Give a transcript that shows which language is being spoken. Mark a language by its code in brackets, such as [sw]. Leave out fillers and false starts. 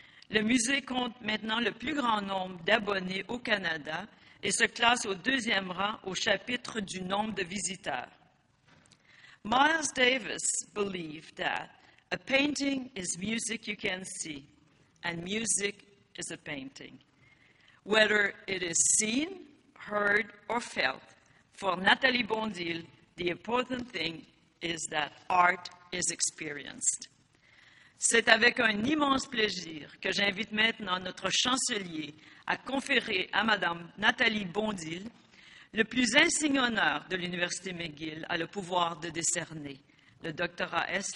[fr] Le musée compte maintenant le plus grand nombre d'abonnés au Canada et se classe au deuxième rang au chapitre du nombre de visiteurs. [en] Miles Davis believed that a painting is music you can see, and music is a painting. Whether it is seen, heard, or felt, for Nathalie Bondil, the important thing is that art is experienced. [fr] C'est avec un immense plaisir que j'invite maintenant notre chancelier à conférer à Madame Nathalie Bondil le plus insigne honneur de l'Université McGill a le pouvoir de décerner le doctorat S.